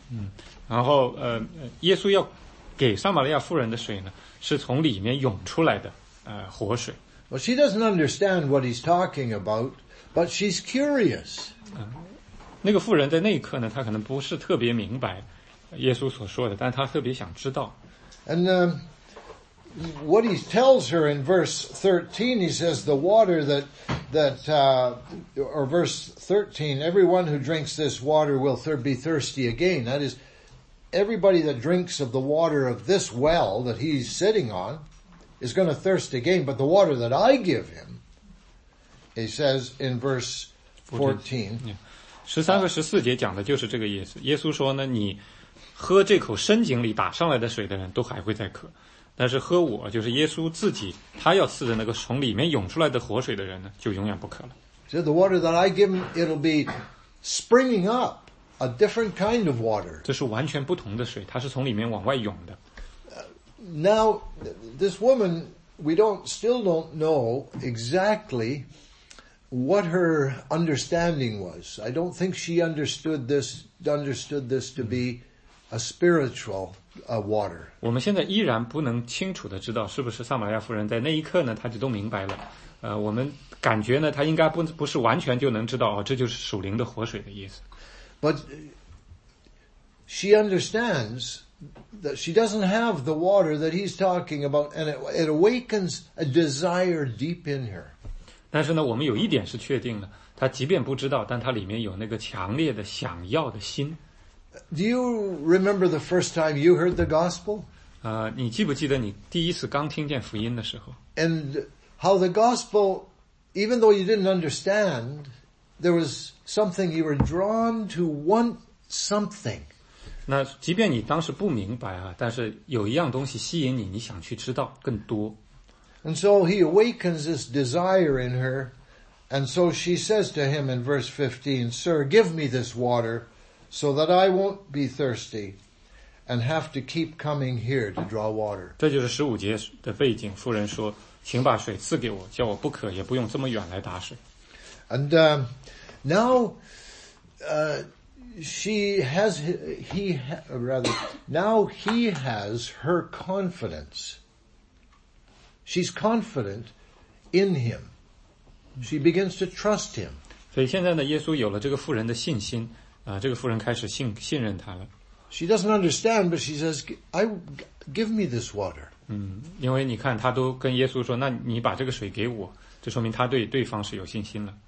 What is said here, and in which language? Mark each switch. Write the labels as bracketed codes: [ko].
[zh] 嗯，然后耶稣要给撒玛利亚夫人的水呢，是从里面涌出来的，活水。 [en] Well, she doesn't understand what he's talking about. But she's curious. [zh] 那个妇人在那一刻呢，她可能不是特别明白耶稣所说的，但她特别想知道。 [en] And what he tells her in verse 13, he says the water or verse 13, everyone who drinks this water will be thirsty again. That is, everybody that drinks of the water of this well that he's sitting on is going to thirst again. But the water that I give him,He says in verse 14. [zh] 13和14节讲的就是这个意思。耶稣说呢，你喝这口深井里打上来的水的人都还会再渴。但是喝我，就是耶稣自己，他要赐的那个从里面涌出来的活水的人呢，就永远不渴了。 [en] So the water that I give him, it'll be springing up a different kind of water. [zh] 这是完全不同的水，它是从里面往外涌的。 [en] Now, this woman, we still don't know exactly... What her understanding was. I don't think she understood this to be a spiritual water. [zh] 我们现在依然不能清楚地知道是不是撒玛利亚夫人在那一刻呢，她就都明白了。我们感觉呢，她应该不是完全就能知道，哦，这就是属灵的活水的意思。 [en] But she understands that she doesn't have the water that he's talking about, and it awakens a desire deep in her. [zh] 但是呢，我们有一点是确定的，他即便不知道，但他里面有那个强烈的想要的心。 [en] Do you remember the first time you heard the gospel? [zh] 你记不记得你第一次刚听见福音的时候 [en] ？And how the gospel, even though you didn't understand, there was something you were drawn to want something. [zh] 那即便你当时不明白啊，但是有一样东西吸引你，你想去知道更多。 [en] And so he awakens this desire in her, and so she says to him in verse 15, Sir, give me this water so that I won't be thirsty and have to keep coming here to draw water. [zh] 这就是十五节的背景，妇人说，请把水赐给我，叫我不渴，也不用这么远来打水。 [en] And now he has her confidence. She's confident in him. She begins to trust him. [zh] 所以现在呢，耶稣有了这个妇人的信心，这个妇人开始信任他了。 [en] She doesn't understand, but she says, give me this water. [zh] 因为你看，他都跟耶稣说，那你把这个水给我，这说明他对对方是有信心了。